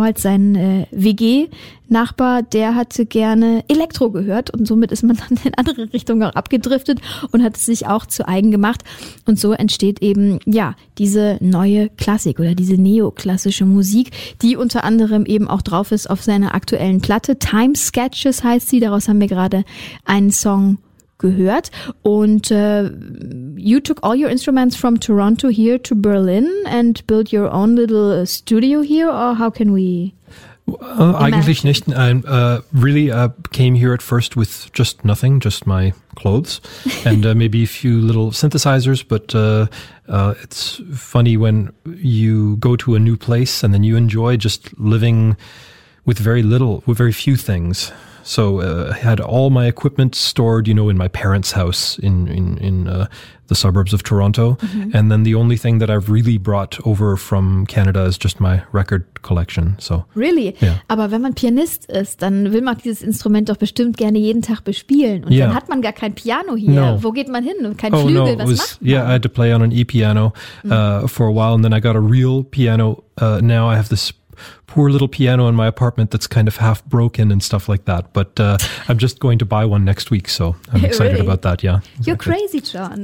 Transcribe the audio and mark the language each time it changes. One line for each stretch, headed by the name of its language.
German: Damals sein WG-Nachbar, der hatte gerne Elektro gehört, und somit ist man dann in andere Richtungen auch abgedriftet und hat es sich auch zu eigen gemacht. Und so entsteht eben ja diese neue Klassik oder diese neoklassische Musik, die unter anderem eben auch drauf ist auf seiner aktuellen Platte. Time Sketches heißt sie, daraus haben wir gerade einen Song gehört.
English: Und you took all your instruments from Toronto here to Berlin and built your own little studio here, or how can we...
German: Eigentlich nicht.
English: I came here at first with just nothing, just my clothes and maybe a few little synthesizers. But it's funny when you go to a new place and then you enjoy just living with very little, with very few things. So I had all my equipment stored, you know, in my parents' house in the suburbs of Toronto. Mm-hmm. And then the only thing that I've really brought over from Canada is just my record collection. So really? Yeah.
German: Aber wenn man Pianist ist, dann will man dieses Instrument doch bestimmt gerne jeden Tag bespielen. Und dann hat man gar kein Piano hier.
English: No.
German: Wo geht man hin? Kein Flügel,
English: no.
German: Was macht man?
English: Yeah, I had to play on an e-piano for a while. And then I got a real piano. Now I have this poor little piano in my apartment that's kind of half broken and stuff like that. But I'm just going to buy one next week, so I'm excited really? About that. Yeah, exactly. You're crazy, John.